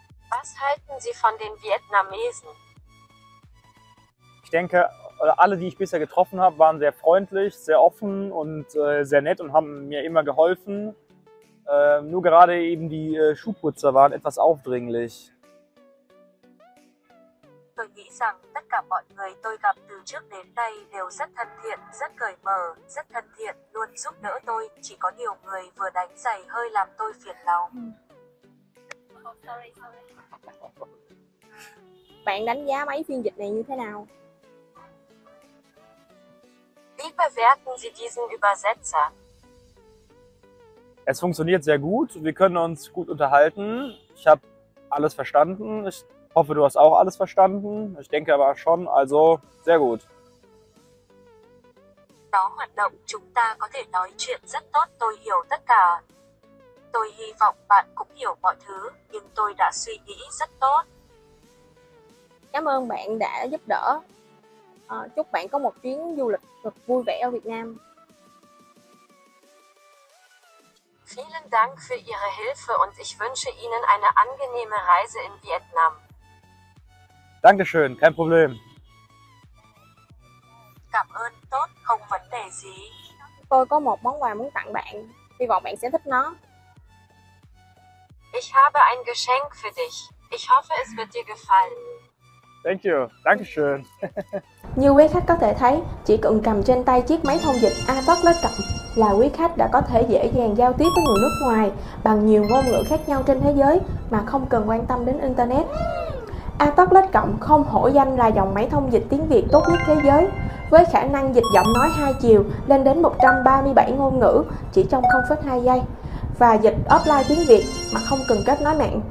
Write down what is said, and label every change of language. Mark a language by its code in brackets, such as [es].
[de] Was halten Sie von den Vietnamesen? Ich denke, alle, die ich bisher getroffen habe, waren sehr freundlich, sehr offen und sehr nett und haben mir immer geholfen. Nur gerade eben die Schuhputzer waren etwas aufdringlich. [vi] Tôi nghĩ rằng tất cả mọi người tôi gặp từ trước đến nay đều rất thân thiện, rất cởi mở, rất thân thiện, luôn giúp đỡ tôi. Chỉ có nhiều người vừa đánh giày hơi làm tôi phiền lòng. [en] sorry. [vi] Bạn đánh giá mấy phiên dịch này như thế nào? [de] Wie bewerten Sie diesen Übersetzer? Es funktioniert sehr gut. Wir können uns gut unterhalten. Ich habe alles verstanden. Ich hoffe, du hast auch alles verstanden. Ich denke aber schon. Also sehr gut. [vi] Nó hoạt động, chúng ta có thể nói chuyện rất tốt, tôi hiểu tất cả. Tôi hy vọng bạn cũng hiểu mọi thứ, nhưng tôi đã suy nghĩ rất tốt. Cảm ơn bạn đã giúp đỡ. Chúc bạn có một chuyến du lịch thật vui vẻ ở Việt Nam. [de] Vielen Dank für Ihre Hilfe und ich wünsche Ihnen eine angenehme Reise in Vietnam. Dankeschön, kein Problem. [vi] Cảm ơn, tốt, không vấn đề gì. Tôi có một món quà muốn tặng bạn, hy vọng bạn sẽ thích nó. [de] Ich habe ein Geschenk für dich. Ich hoffe, es wird dir gefallen. [en] Thank you, [de] dankeschön. [vi] Như quý khách có thể thấy, chỉ cần cầm trên tay chiếc máy thông dịch iPod lên cầm là quý khách đã có thể dễ dàng giao tiếp với người nước ngoài bằng nhiều ngôn ngữ khác nhau trên thế giới mà không cần quan tâm đến Internet. iTalklet Cộng không hổ danh là dòng máy thông dịch tiếng Việt tốt nhất thế giới, với khả năng dịch giọng nói hai chiều lên đến 137 ngôn ngữ chỉ trong 0.2 giây và dịch offline tiếng Việt mà không cần kết nối mạng.